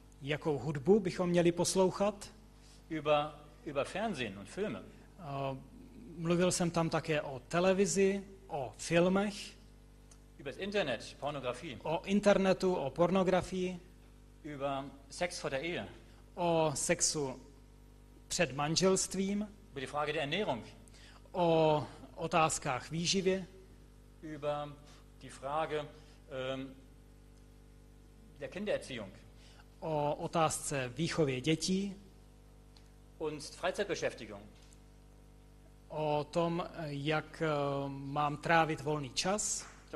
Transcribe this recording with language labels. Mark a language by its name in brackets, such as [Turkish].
[Czech] Jakou hudbu bychom měli poslouchat. [German] Über Fernsehen und Filme. [Czech] Mluvil jsem tam také o televizi, o filmech, [German] über Internet, pornografie. [Czech] O internetu, o pornografii, [German] über sex vor der Ehe. [Czech] O sexu před manželstvím, [German] über die Frage der Ernährung. [Czech] O otázkách výživy, [German] über die Frage der Kindererziehung. [Czech] O otázce výchovy dětí [German] und Freizeitbeschäftigung. [Czech] O tom, jak mám trávit volný čas.